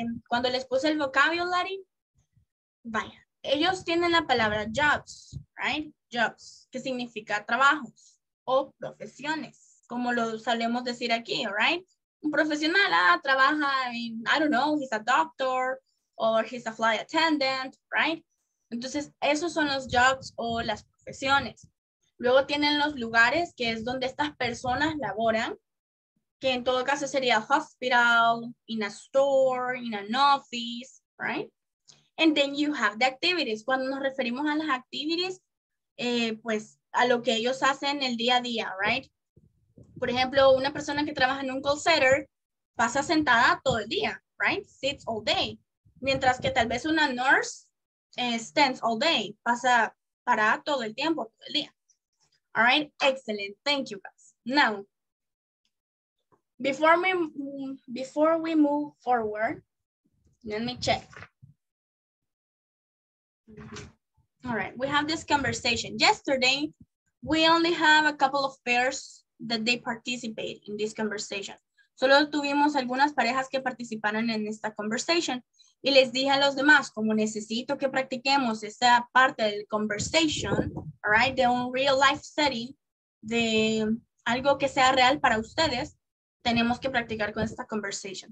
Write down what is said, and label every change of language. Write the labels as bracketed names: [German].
[Spanish] Cuando les puse el vocabulary, vaya, ellos tienen la palabra jobs, right? Jobs, que significa trabajos o profesiones, como lo sabemos decir aquí, all right? Un profesional, trabaja en, [English] I don't know, he's a doctor, or he's a flight attendant, right? [Spanish] Entonces, esos son los jobs o las profesiones. Luego tienen los lugares, que es donde estas personas laboran, que en todo caso sería hospital, [English] in a store, in an office, [Spanish] right? [English] And then you have the activities. [Spanish] Cuando nos referimos a las activities, pues a lo que ellos hacen el día a día, right? Por ejemplo, una persona que trabaja en un call center pasa sentada todo el día, right? [English] Sits all day. [Spanish] Mientras que tal vez una nurse [English] stands all day, [Spanish] pasa parada todo el tiempo, todo el día. [English] All right, excellent. Thank you, guys. Now, before we move forward, let me check. All right, we have this conversation. Yesterday, we only have a couple of pairs that they participate in this conversation. [Spanish] Solo tuvimos algunas parejas que participaron en esta conversation. Y les dije a los demás, como necesito que practiquemos esta parte del conversation, right, de un real life setting, de algo que sea real para ustedes, tenemos que practicar con esta conversation.